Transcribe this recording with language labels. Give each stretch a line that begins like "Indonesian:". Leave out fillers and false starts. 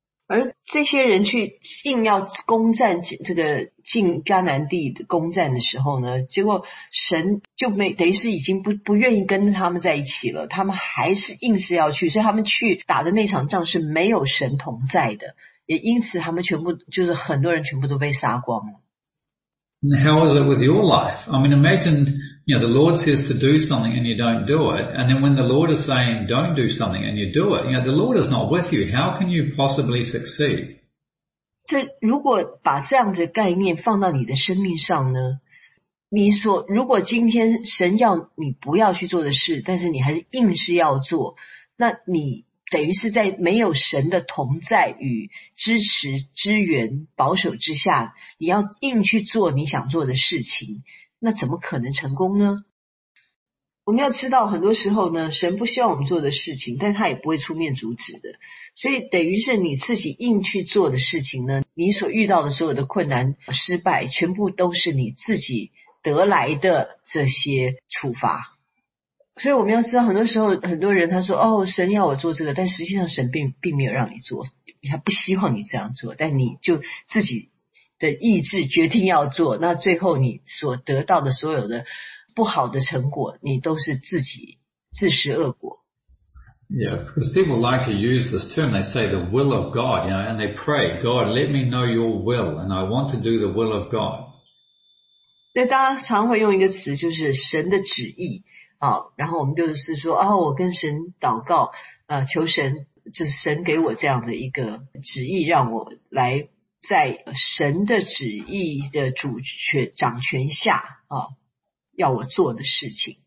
Chinese: 而这些人去硬要攻占这个进迦南地的攻占的时候呢，结果神就没等于是已经不愿意跟他们在一起了，他们还是硬是要去，所以他们去打的那场仗是没有神同在的，也因此他们全部就是很多人全部都被杀光了。
English: And how is it with your life? I mean, imagine, you know, the Lord says to do something and you don't do it. And then when the Lord is saying, don't do something and you do it, you know, the Lord is not with you. How can you possibly succeed?
Chinese: 这如果把这样的概念放到你的生命上呢，你说如果今天神要你不要去做的事，但是你还是硬是要做，那你等于是在没有神的同在与支持支援保守之下，你要硬去做你想做的事情，那怎么可能成功呢？我们要知道很多时候呢，神不希望我们做的事情，但他也不会出面阻止的，所以等于是你自己硬去做的事情呢，你所遇到的所有的困难、失败，全部都是你自己得来的这些处罚。所以我们要知道，很多时候很多人他说，哦，神要我做这个，但实际上神并没有让你做，他不希望你这样做，但你就自己的意志决定要做，那最后你所得到的所有的不好的成果，你都是自己自食恶果。
English: Yeah, because people like to use this term, they say the will of God, you know, and they pray, God, let me know your will, and I want to do the will of God.
Chinese: 对，大家常会用一个词就是神的旨意，然后我们就是说，哦，我跟神祷告，求神，就是神给我这样的一个旨意，让我来在神的旨意的主权掌权下，要我做的事情。